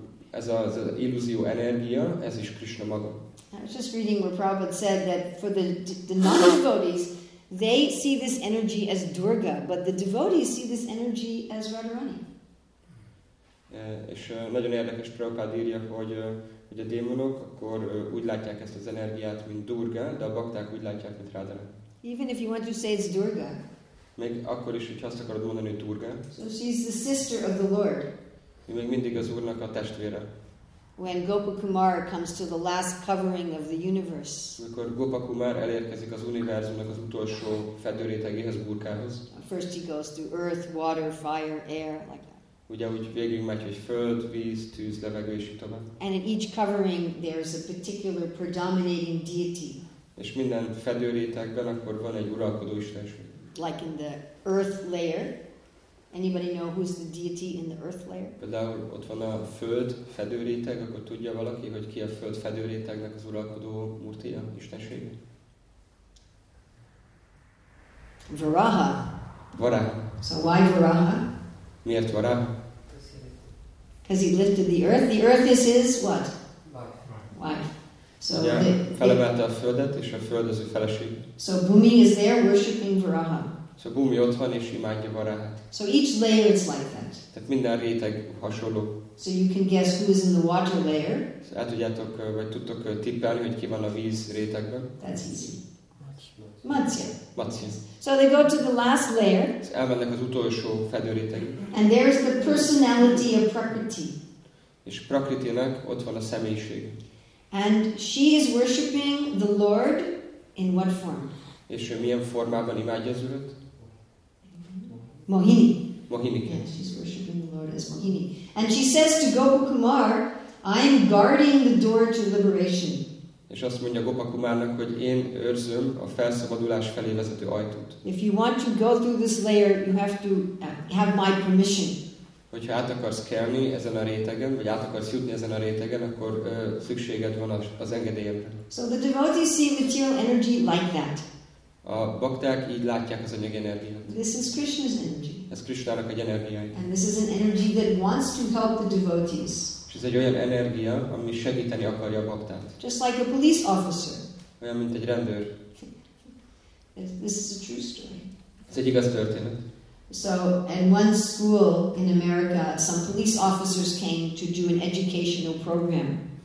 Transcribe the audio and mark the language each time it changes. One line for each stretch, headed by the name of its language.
Hungarian: Ez az illúzió energia, ez is Krishna maga.
English: I was just reading where Prabhupada said that for the non-devotees, they see this energy as Durga, but the devotees see this energy as Radharani.
Hungarian: És nagyon érdekes, Prabhupada írja, hogy a démonok akkor úgy látják ezt az energiát, mint Durga, de a bakták úgy látják, mint Radharani.
English: Even if you want to say it's Durga.
Hungarian: Még akkor is, hogyha azt akarod mondani, hogy Durga.
English: So she's the sister of the Lord.
Hungarian: Ő még mindig az Úrnak a testvére.
English: When Gopakumar comes to the last covering of the universe.
Hungarian: Amikor Gopakumar elérkezik az univerzumnak az utolsó fedőrétegéhez, burkához.
English: First he goes through earth, water, fire, air, like that.
Hungarian: Ugye úgy végigmegy, hogy föld, víz, tűz, levegő és így tovább.
English: And in each covering there's a particular predominating deity.
Hungarian: És minden fedőrétegben akkor van egy uralkodó istenség.
English: Like in the earth layer. Anybody know who's the deity in the earth layer?
Hungarian: Például ott van a föld fedőréteg, akkor tudja valaki, hogy ki a föld fedőrétegnek az uralkodó murtija, istensége?
English: Varaha.
Hungarian: Varaha.
English: So why Varaha?
Hungarian: Miért Varaha?
English: Because he lifted the earth. The earth is his what? Wife. Wife.
Hungarian: Felemelte a földet, és a föld az ő feleség.
English: So Bhumi is there worshipping Varaha.
Hungarian: So Bhumi ott van és imádja Varahát.
English: So each layer is like that.
Hungarian: Tehát minden réteg hasonló.
English: So you can guess who is in the water layer.
Hungarian: Hát tudjátok, vagy tudtok tippelni, hogy ki van a víz rétegben.
English: That's easy. Matsya.
Hungarian: Matsya.
English: So they go to the last layer.
Hungarian: Elmennek az utolsó fedőrétegig.
English: And there is the personality of Prakriti.
Hungarian: És Prakritinek ott van a személyiség.
English: And she is worshiping the Lord in what form?
Hungarian: És ő milyen formában imádja az Urat?
English: Mohini.
Hungarian: Mohini.
English: Yes, yeah, she's worshiping the Lord as Mohini. And she says to Gopakumar, I am guarding the door to liberation.
Hungarian: És azt mondja Gopakumárnak, hogy én őrzöm a felszabadulás felé vezető ajtót.
English: If you want to go through this layer, you have to have my permission.
Hungarian: Hogyha át akarsz kelni ezen a rétegen, vagy át akarsz jutni ezen a rétegen, akkor szükséged van az engedélyemre.
English: So the devotees see material energy like that.
Hungarian: A bakták így látják az anyag energiát.
English: This is Krishna's energy.
Hungarian: Ez Krishnának egy energiája.
English: And this is an energy that wants to help the devotees.
Hungarian: És ez egy olyan energia, ami segíteni akarja a baktát.
English: Just like a police officer.
Hungarian: Olyan, mint egy rendőr.
English: This is a true story.
Hungarian: Ez egy igaz történet.
English: So at one school in America, some police officers came to do an educational program.